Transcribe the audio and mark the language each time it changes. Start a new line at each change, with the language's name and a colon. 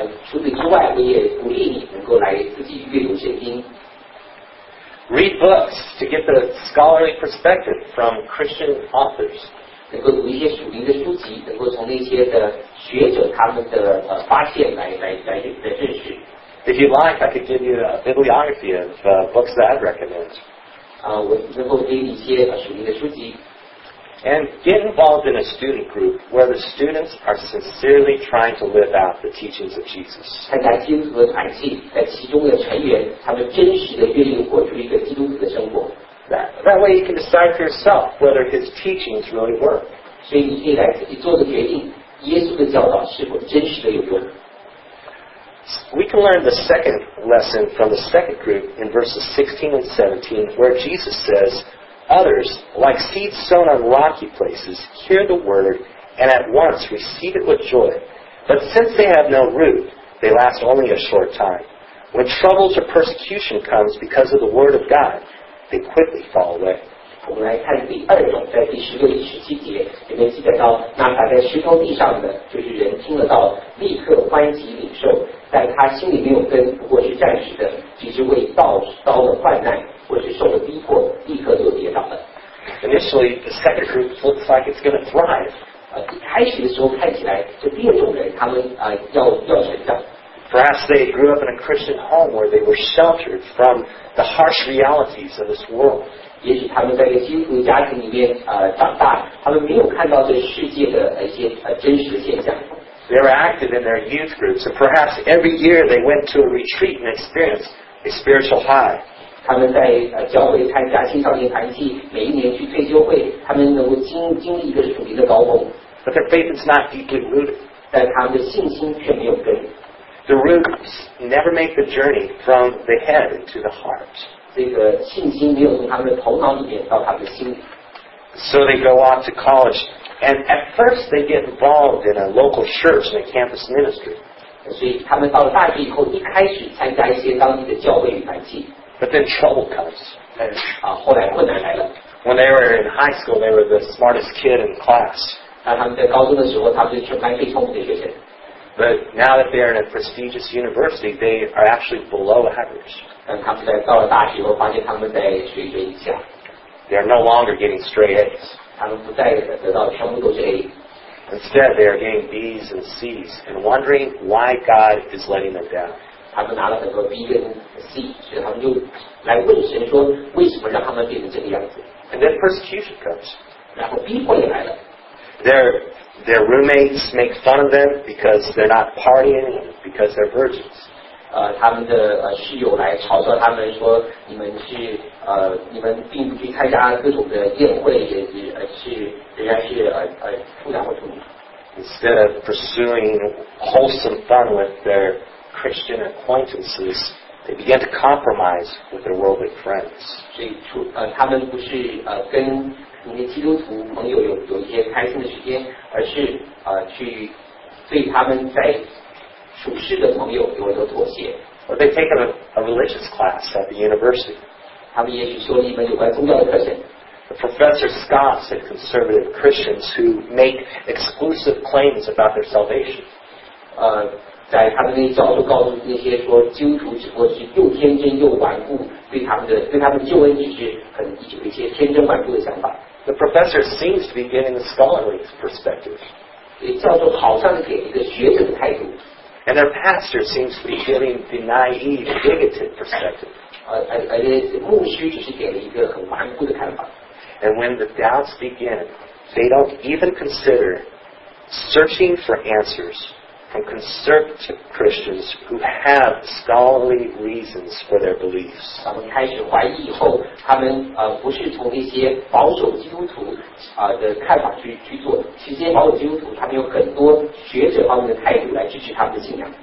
Chinese: 除此之外，我也鼓励你能够来自己阅读圣经。
English: Read books to get the scholarly perspective from Christian authors.
Chinese: 能够读一些属灵的书籍，能够从那些的学者他们的发现来认识。
English: If you like, I could give you a bibliography of books that I'd recommend.
Chinese: 我能够给你一些属灵的书籍。
English: And get involved in a student group where the students are sincerely trying to live out the teachings of Jesus.
Chinese: 参加基督徒的团契，在其中的成员，他们真实的愿意活出一个基督徒的生活。
English: That way you can decide for yourself whether his teachings really work.
Chinese: 所以你可以来自己做的决定，耶稣的教导是否真实的有用。
English: We can learn the second lesson from the second group in verses 16 and 17, where Jesus says, Others, like seeds sown on rocky places, hear the word and at once receive it with joy. But since they have no root, they last only a short time. When troubles or persecution comes because of the word of God, they quickly fall away.
Chinese: 我们来看第二种，在第十六、第十七节里面记载到，那撒在石头地上的，就是人听了道，立刻欢喜领受，但他心里没有根，不过是暂时的，只是为道遭了患难，或是受了逼迫，立刻就跌倒了。
English: Initially, the second group looks like it's going to thrive.
Chinese: 一开始的时候看起来，这第二种人他们要成长。
English: Perhaps they grew up in a Christian home where they were sheltered from the harsh realities of this world.
Chinese: 也许他们在一个基督徒家庭里面长大，他们没有看到这世界的一些真实的现象。
English: They were active in their youth groups, and perhaps every year they went to a retreat and experienced a spiritual high.
Chinese: 他们在教会参加青少年团契，每一年去退休会，他们能够经历一个属灵的高峰。
English: But their faith is not deeply rooted.
Chinese: 但他们的信心却没有根。
English: The roots never make the journey from the head into the heart.
Chinese: 这个信心没有从他们的头脑里面到他们的心里。
English: So they go off to college, and at first they get involved in a local church and a campus ministry.
Chinese: 所以他们到了大学以后，一开始参加一些当地的教会与团契。
English: But then trouble comes.
Chinese: 但是后来困难来了。
English: When they were in high school, they were the smartest kid in class.
Chinese: 当他们在高中的时候，他们是全班最聪明的学生。
English: But now that they are in a prestigious university, they are actually below average.
Chinese: 但他们在到了大学后，发现他们在水准以下。
English: They are no longer getting straight A's.
Chinese: 他们不再得到全部都是 A。
English: Instead, they are getting B's and C's, and wondering why God is letting them down.
Chinese: 他们拿了很多 B 跟 C， 所以他们就来问神说，为什么让他们变成这个样子
English: ？And then persecution comes.
Chinese: 然后逼迫也来了。
English: Their roommates make fun of them because they're not partying and because they're virgins.
Chinese: 他们的室友来嘲笑他们说，你们是你们并不去参加各种的宴会，也是是人家是不良的徒弟。
English: Instead of pursuing wholesome fun with their Christian acquaintances, they began to compromise with their worldly friends.
Chinese: 所以他们不是跟你的基督徒朋友有一些开心的时间，而是去对他们在属世的朋友有很多妥协。
English: Or they take a religious class at the university.
Chinese: 他们也许修了一门有关宗教的课程。
English: The professor scoffs at conservative Christians who make exclusive claims about their salvation.
Chinese: 在他们那些教授告诉那些说基督徒只不过是又天真又顽固，对他们救恩只是很有一些天真顽固的想法。
English: The professor seems to be giving a scholarly perspective.
Chinese: 教授好像给一个学者的态度。
English: And their pastor seems to be giving the naive, bigoted perspective.
Chinese: 牧师只是给了一个很顽固的看法。
English: And when the doubts begin, they don't even consider searching for answers from conservative Christians who have scholarly reasons for their beliefs.
Chinese: 他们开始怀疑以后，他们不是从一些保守基督徒的看法去做的。其实保守基督徒他们有很多学者方面的态度来支持他们的信仰。